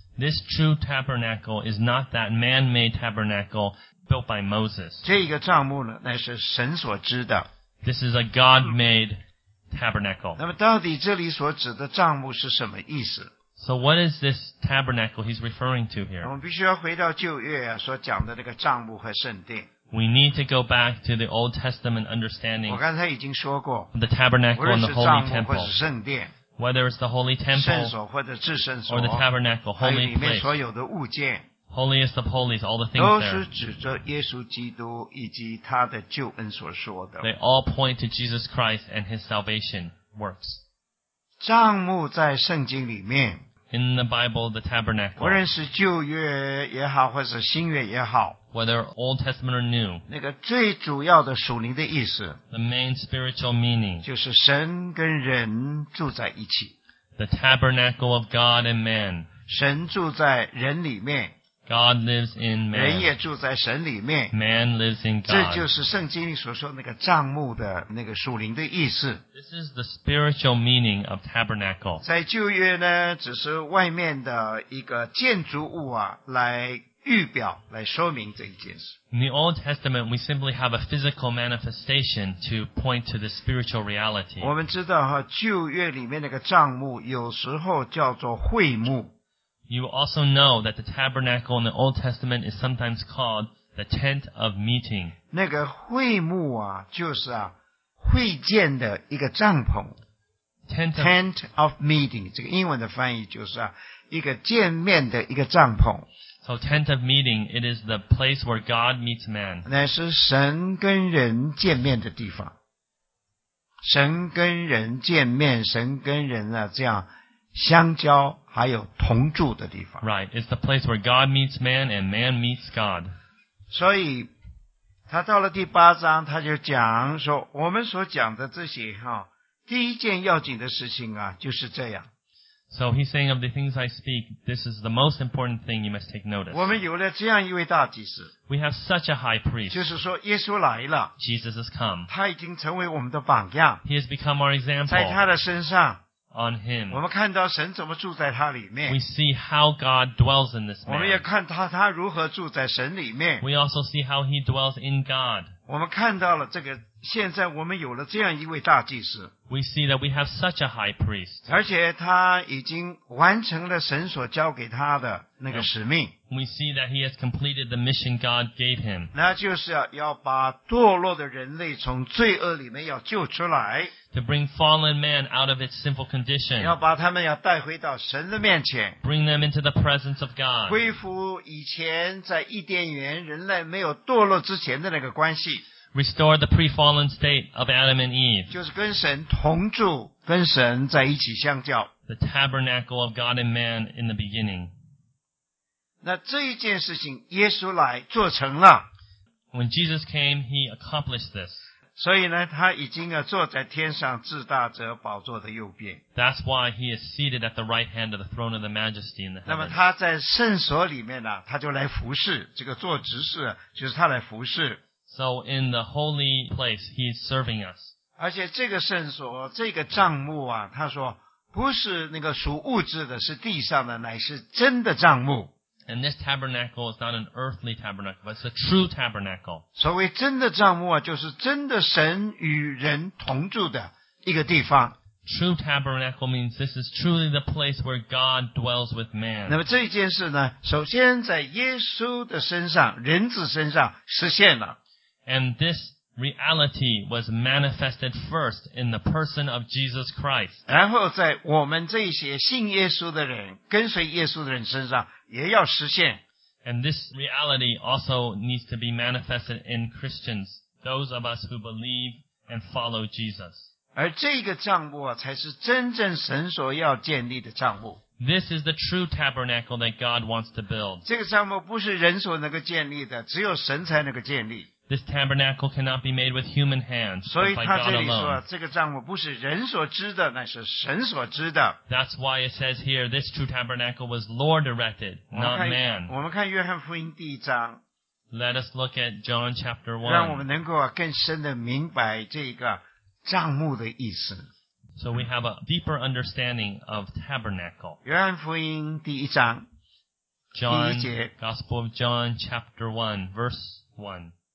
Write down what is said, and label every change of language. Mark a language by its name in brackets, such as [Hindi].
[English] This true tabernacle is not that man-made tabernacle built by Moses. [Chinese] 这个帐幕呢，乃是神所知的。 [English] This is a God-made tabernacle. [Chinese] 那么到底这里所指的帐幕是什么意思？ [English] So what is this tabernacle he's referring to here? [Chinese] 我们必须要回到旧约啊，所讲的那个帐幕和圣殿。 [English] We need to go back to the Old Testament understanding. [Chinese] 我刚才已经说过。 [English] The tabernacle and the holy temple. [Chinese] 无论是帐幕或是圣殿。 [English] Whether it's the holy temple, [Chinese] 圣所或者至圣所 [English] or the tabernacle, holy place, [Chinese] 还有里面所有的物件 [English] holiest of holies, all the things there, [Chinese] 都是指着耶稣基督以及他的救恩所说的 [English] they all point to Jesus Christ and his salvation works. [Chinese] 帐幕在圣经里面 [English] in the Bible, the tabernacle, [Chinese] 无论是旧约也好或是新约也好 [English] whether Old Testament or New, [Chinese] 那个最主要的属灵的意思 [English] the main spiritual meaning, [Chinese] 就是神跟人住在一起 [English] the tabernacle of God and man, [Chinese] 神住在人里面 [English] God lives in man, [Chinese] 人也住在神里面 [English] man lives in God, [Chinese] 这就是圣经里所说那个帐幕的那个属灵的意思 [English] this is the spiritual meaning of tabernacle, [Chinese] 在旧约呢只是外面的一个建筑物啊来预表来说明这一件事。 [English] In the Old Testament, we simply have a physical manifestation to point to the spiritual reality. [Chinese] 我们知道旧约里面那个帐幕有时候叫做会幕。 [English] You also know that the tabernacle in the Old Testament is sometimes called the tent of meeting. [Chinese] 那个会幕啊就是啊会见的一个帐篷。 [English] Tent of meeting, [Chinese] 这个英文的翻译就是啊一个见面的一个帐篷。 [English] So tent of meeting, it is the place where God meets man. [Chinese] 乃是神跟人见面的地方。神跟人见面，神跟人啊这样相交，还有同住的地方。 [English] Right, it's the place where God meets man and man meets God. [Chinese] 所以他到了第八章，他就讲说，我们所讲的这些哈，第一件要紧的事情啊，就是这样。 [English] So he's saying of the things I speak, this is the most important thing you must take notice. [Chinese] 我们有了这样一位大祭司。 [English] We have such a high priest. [Chinese] 就是说耶稣来了。 [English] Jesus has come. [Chinese] 他已经成为我们的榜样。 [English] He has become our example. [Chinese] 在他的身上。 [English] On him. [Chinese] 我们看到神怎么住在他里面。 [English] We see how God dwells in this man. [Chinese] 我们也看到他如何住在神里面。 [English] We also see how he dwells in God. [Chinese] 我们看到了这个现在我们有了这样一位大祭司。 [English] We see that we have such a high priest. [Chinese] 而且他已经完成了神所交给他的那个使命。 [English] We see that he has completed the mission God gave him. [Chinese] 那就是要把堕落的人类从罪恶里面要救出来。 [English] To bring fallen man out of its sinful condition. [Chinese] 要把他们要带回到神的面前。 [English] Bring them into the presence of God. [Chinese] 恢复以前在伊甸园人类没有堕落之前的那个关系。 [English] Restore the pre-fallen state of Adam and Eve. [Chinese] 就是跟神同住，跟神在一起相交。 [English] The tabernacle of God and man in the beginning. [Chinese] 那这一件事情，耶稣来做成了。 [English] When Jesus came, he accomplished this. [Chinese] 所以呢，他已经坐在天上至大者宝座的右边。 [English] That's why he is seated at the right hand of the throne of the majesty in the heavens. [Chinese] 那么他在圣所里面呢，他就来服侍，这个做执事，就是他来服侍。 [English] So in the holy place, he is serving us. [Chinese] 而且这个圣所，这个帐幕啊，他说不是那个属物质的，是地上的，乃是真的帐幕。 [English] And this tabernacle is not an earthly tabernacle, but it's a true tabernacle. [Chinese] 所谓真的帐幕啊，就是真的神与人同住的一个地方。 [English] True tabernacle means this is truly the place where God dwells with man. [Chinese] 那么这件事呢，首先在耶稣的身上，人子身上实现了。 [English] And this reality was manifested first in the person of Jesus Christ. [Chinese] 然后在我们这些信耶稣的人，跟随耶稣的人身上也要实现。 [English] And this reality also needs to be manifested in Christians, those of us who believe and follow Jesus. [Chinese] 而这个帐幕啊，才是真正神所要建立的帐幕。 [English] This is the true tabernacle that God wants to build. [Chinese] 这个帐幕不是人所能够建立的，只有神才能够建立。 [English] This tabernacle cannot be made with human hands, but by God alone. [Chinese] 所以他这里说，这个帐幕不是人所知的，乃是神所知的。 [English] That's why it says here, this true tabernacle was Lord erected, not man. [Chinese] 我们看约翰福音第一章。 [English] Let us look at John chapter 1. [Chinese] 让我们能够更深的明白这个帐幕的意思。 [English] So we have a deeper understanding of tabernacle. [Chinese] 约翰福音第一章。 [English] John, Gospel of John chapter 1, verse 1.